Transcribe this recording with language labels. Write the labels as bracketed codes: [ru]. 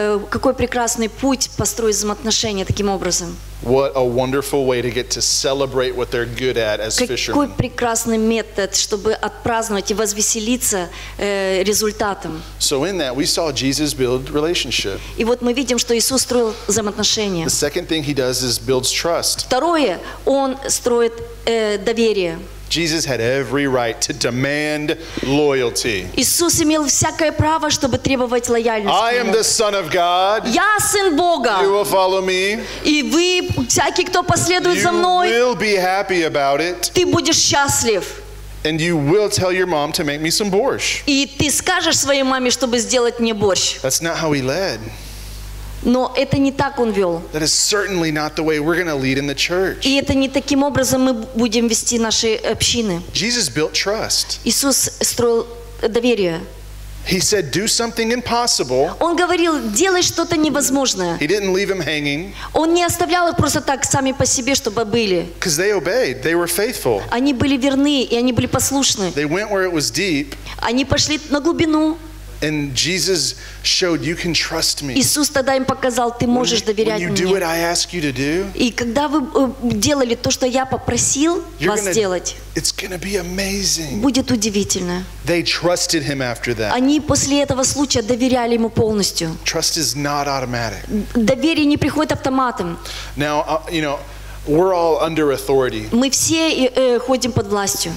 [ru] Какой прекрасный путь построить взаимоотношения таким образом. [en] What a wonderful way to get to celebrate what they're good at as fishermen. [ru] Какой прекрасный метод, чтобы отпраздновать и возвеселиться результатом. [en] So in that we saw Jesus build relationship. [ru] И вот мы видим, что Иисус строил взаимоотношения. [en] The second thing he does is builds trust. [ru] Второе, он строит доверие. [en] Jesus had every right to demand loyalty. [ru] Иисус имел всякое право, чтобы требовать лояльности. [en] I am the Son of God. [ru] Я сын Бога. [en] You will follow me. [ru] И вы, всякий, кто последует за мной, [en] you will be happy about it. [ru] Ты будешь счастлив. [en] And you will tell your mom to make me some borscht. [ru] И ты скажешь своей маме, чтобы сделать мне борщ. [en] That's not how he led. [ru] Но это не так он вел. [en] That is certainly not the way we're going to lead in the church. [ru] И это не таким образом мы будем вести наши общины. [en] Jesus built trust. [ru] Иисус строил доверие. [en] He said, "Do something impossible." [ru] Он говорил, делай что-то невозможное. [en] He didn't leave them hanging. [ru] Он не оставлял их просто так сами по себе, чтобы были. [en] Because they obeyed, they were faithful. [ru] Они были верны и они были послушны. [en] They went where it was deep. [ru] Они пошли на глубину. [en] And Jesus showed you can trust me. [ru] Иисус тогда им показал, ты можешь доверять мне. [en] When you do what I ask you to do. [ru] И когда вы делали то, что я попросил вас делать. [en] It's going to be amazing. [ru] Будет удивительно. [en] They trusted him after that. [ru] Они после этого случая доверяли ему полностью. [en] Trust is not automatic. [ru] Доверие не приходит автоматом. [en] Now, you know, we're all under authority. [ru] Мы все ходим под властью.